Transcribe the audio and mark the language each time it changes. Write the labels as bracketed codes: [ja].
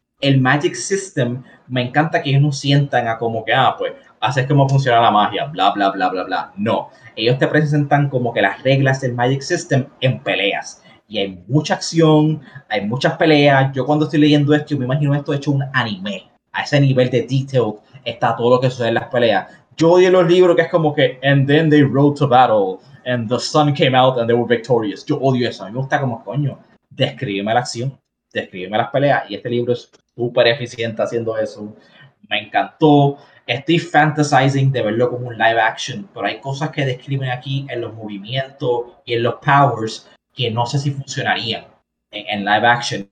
[es] El magic system, me encanta que ellos no sientan a como que, pues, haces cómo funciona la magia, bla, bla, bla, bla, bla. No. Ellos te presentan como que las reglas del Magic System en peleas. Y hay mucha acción, hay muchas peleas. Yo cuando estoy leyendo esto, me imagino esto hecho un anime. A ese nivel de detail está todo lo que sucede en las peleas. Yo odio los libros que es como que, [en] and then they rode to battle, and the sun came out, and they were victorious. [es] Yo odio eso. A mí me gusta como, coño, descríbeme la acción, descríbeme las peleas. Y este libro es súper eficiente haciendo eso. Me encantó. Estoy fantasizing de verlo como un live action, pero hay cosas que describen aquí en los movimientos y en los powers que no sé si funcionarían en live action.